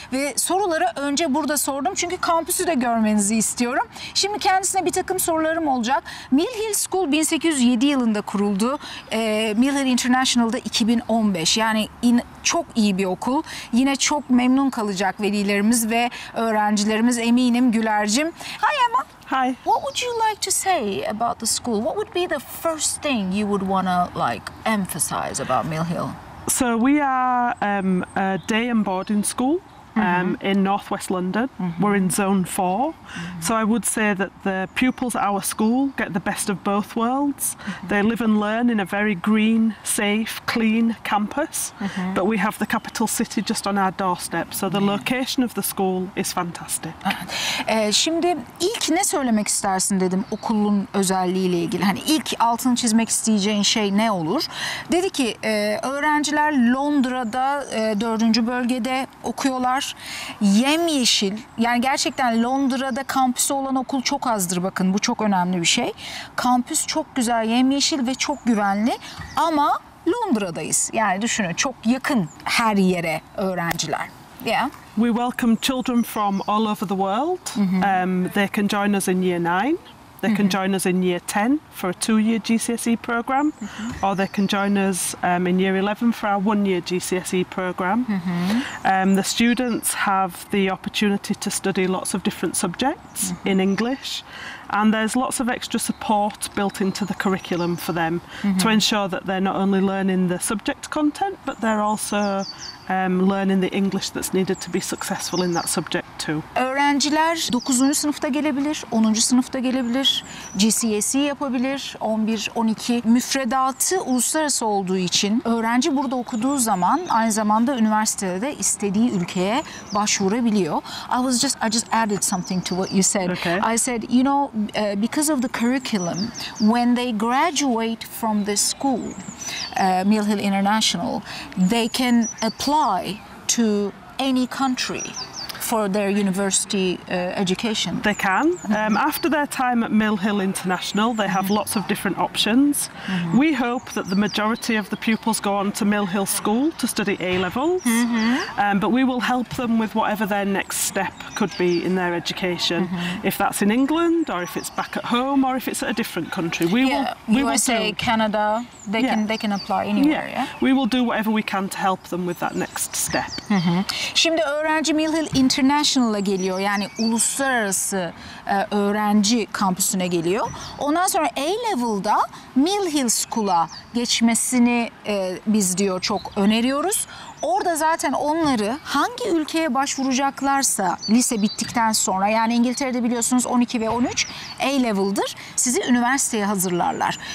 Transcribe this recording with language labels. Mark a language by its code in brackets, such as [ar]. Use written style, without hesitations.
[tr] Ve soruları önce burada sordum. Çünkü kampüsü de görmenizi istiyorum. Şimdi kendisine bir takım sorularım olacak. Mill Hill School 1807 yılında kuruldu. Mill Hill International'da 2015. Yani çok iyi bir okul. Yine çok memnun kalacak velilerimiz ve öğrencilerimiz eminim Güler'cim. [en] Hi Emma. Hi. What would you like to say about the school? What would be the first thing you would want to like emphasize about Mill Hill? So we are a day and boarding school in Northwest London. Mm-hmm. We're in zone 4. Mm-hmm. So I would say that the pupils at our school get the best of both worlds. Mm-hmm. They live and learn in a very green, safe, clean campus. Mm-hmm. But we have the capital city just on our doorstep. So the location of the school is fantastic. [tr] Şimdi ilk ne söylemek istersin dedim okulun özelliğiyle ilgili. Hani ilk altını çizmek isteyeceğin şey ne olur? Dedi ki öğrenciler Londra'da 4. bölgede okuyorlar. Yemyeşil, yani gerçekten Londra'da kampüsü olan okul çok azdır, bakın bu çok önemli bir şey. Kampüs çok güzel, yemyeşil ve çok güvenli ama Londra'dayız. Yani düşünün, çok yakın her yere öğrenciler. Yeah. [en] We welcome children from all over the world. Mm-hmm. They can join us in year 9. They can join us in year 10 for a two-year GCSE programme, or they can join us in year 11 for our one-year GCSE programme. The students have the opportunity to study lots of different subjects in English, and there's lots of extra support built into the curriculum for them to ensure that they're not only learning the subject content, but they're also learning the English that's needed to be successful in that subject too. [tr] Öğrenciler 9. sınıfta gelebilir, 10. sınıfta gelebilir, GCSE yapabilir, 11, 12. Müfredatı uluslararası olduğu için öğrenci burada okuduğu zaman aynı zamanda üniversitede de istediği ülkeye başvurabiliyor. [en] I just added something to what you said. Okay. I said, you know, because of the curriculum, when they graduate from this school, Mill Hill International, they can apply to any country for their university education. They can. After their time at Mill Hill International, they have lots of different options. We hope that the majority of the pupils go on to Mill Hill School to study A-levels, but we will help them with whatever their next step could be in their education, if that's in England, or if it's back at home, or if it's at a different country. USA, Canada, they can apply anywhere, We will do whatever we can to help them with that next step. [tr] Şimdi öğrenci Mill Hill International'a geliyor, yani uluslararası öğrenci kampüsüne geliyor. Ondan sonra A-Level'da Mill Hill School'a geçmesini biz diyor çok öneriyoruz. Orada zaten onları hangi ülkeye başvuracaklarsa lise bittikten sonra, yani İngiltere'de biliyorsunuz 12 ve 13 A-Level'dır, sizi üniversiteye hazırlarlar.